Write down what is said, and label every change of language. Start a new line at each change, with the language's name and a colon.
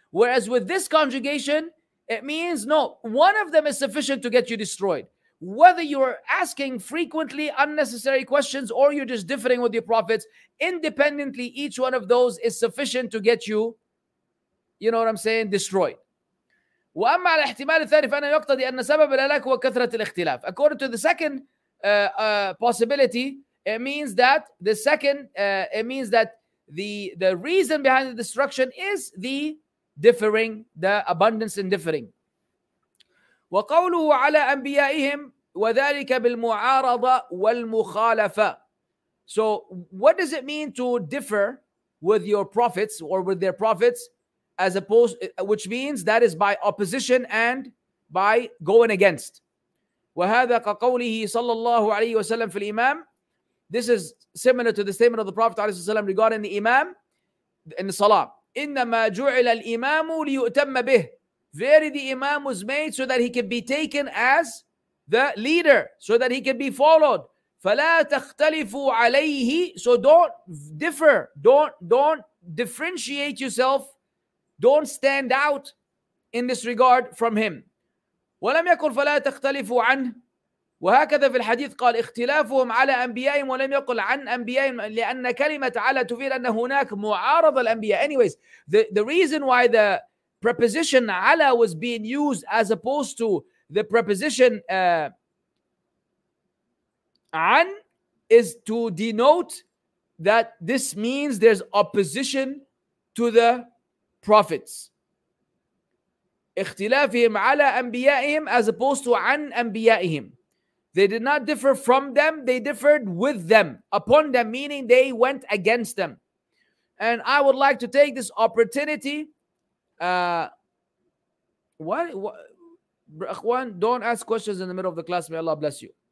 English: Whereas with this conjugation, it means no, one of them is sufficient to get you destroyed. Whether you're asking frequently unnecessary questions or you're just differing with your prophets, independently, each one of those is sufficient to get you, you know what I'm saying, destroyed.
Arabic: وأما على الاحتمال الثاني فأنا يقتضي أن سبب الهلاك هو كثرة الاختلاف.
English: According to the second possibility, it means that the reason behind the destruction is the differing, the abundance in differing.
Arabic: وقوله على أنبيائهم وذلك بالمعارضة والمخالفة.
English: So what does it mean to differ with your prophets or with their prophets? As opposed, which means that is by opposition and by going against.
Arabic: وهذا كقوله صلى الله عليه وسلم في الإمام.
English: This is similar to the statement of the Prophet
Arabic: عليه الصلاة والسلام
English: regarding the Imam in the Salah.
Arabic: إنما جعل الإمام ليؤتم به.
English: Verily, the Imam was made so that he could be taken as the leader, so that he could be followed.
Arabic: فلا تختلفوا عليه.
English: So don't differ. Don't differentiate yourself. Don't stand out in this regard from him.
Arabic: وَلَمْ يَقُلْ فَلَا تَخْتَلِفُوا عَنْهُ. وهكذا في الحديث قال اختلافهم على أنبيائهم ولم يقل عن أنبيائهم لأن كلمة على تفيد أن هناك معارض الأنبياء.
English: Anyways, the reason why the preposition على was being used as opposed to the preposition عن is to denote that this means there's opposition to the prophets.
Arabic: اختلافهم على أنبيائهم
English: as opposed to
Arabic: عن أنبيائهم.
English: They did not differ from them, they differed with them, upon them, meaning they went against them. And I would like to take this opportunity. Akhwan, don't ask questions in the middle of the class. May Allah bless you.